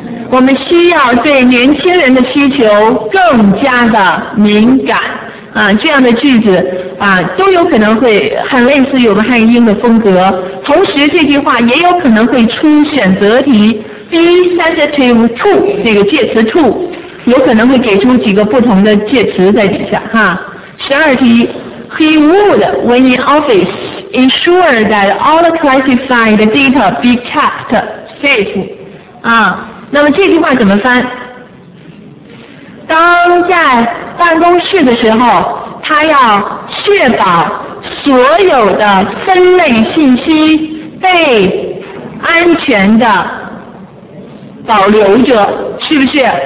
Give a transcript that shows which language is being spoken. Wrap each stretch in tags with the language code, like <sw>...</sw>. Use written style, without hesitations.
<zh>我们需要对年轻人的需求更加的敏感啊，这样的句子啊都有可能会很类似于我们汉语英的风格，同时这句话也有可能会出选择题 be sensitive to 这个介词 to， 有可能会给出几个不同的介词在底下哈。</zh> <en>十二题 ，He would when in office ensure that all classified data be kept safe 啊。</en> <zh>那么这句话怎么翻？当在办公室的时候，他要确保所有的分类信息被安全的保留着，是不是？</zh>